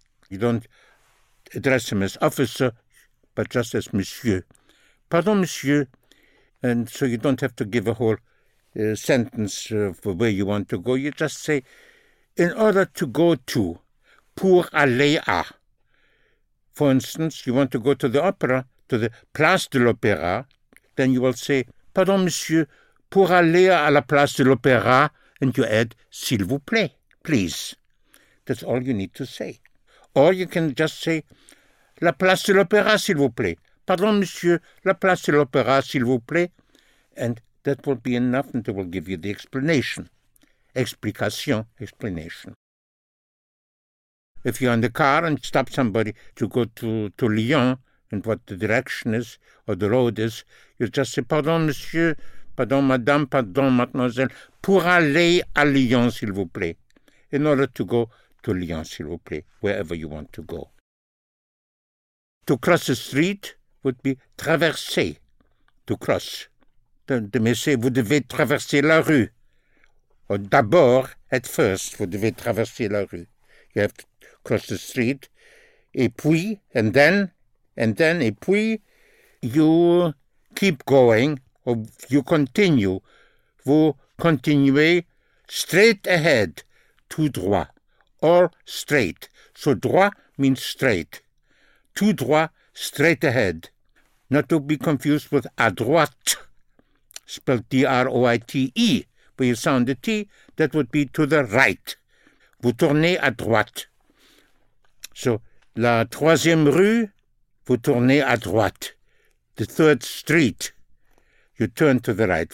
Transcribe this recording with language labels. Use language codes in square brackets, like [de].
[en] You don't address him as officer, but just as monsieur. [fr] Pardon, monsieur. [en] And so you don't have to give a whole sentence for where you want to go. You just say, in order to go to, [fr] pour aller à. [en] For instance, you want to go to the opera, to the Place de l'Opéra. Then you will say, [fr] pardon, monsieur, pour aller à la Place de l'Opéra. [en] And you add, [fr] s'il vous plaît, [en] please. That's all you need to say. Or you can just say, [fr] la Place de l'Opéra, s'il vous plaît. Pardon, monsieur, la Place de l'Opéra, s'il vous plaît. [en] And that will be enough, and they will give you the explanation. Explication, explanation. If you're in the car and stop somebody to go to Lyon, and what the direction is, or the road is, you just say, [fr] pardon, monsieur, pardon, madame, pardon, mademoiselle, pour aller à Lyon, s'il vous plaît. [en] In order to go to Lyon, [fr] s'il vous plaît, [en] wherever you want to go. To cross the street would be traverser, to cross. The message, [fr] vous devez traverser la rue. Or d'abord, [en] at first, [fr] vous devez traverser la rue. [en] You have to cross the street. [fr] Et puis, [en] and then, [fr] et puis, [en] you keep going, or you continue. [fr] Vous continuez [en] straight ahead, [fr] tout droit. [en] Or straight. So droit means straight. [fr] Tout droit, [en] straight ahead. Not to be confused with [fr] à droite, [en] spelled D-R-O-I-T-E. Where you sound the T, that would be to the right. [fr] Vous tournez à droite. So la troisième rue, vous tournez à droite. [en] The third street, you turn to the right.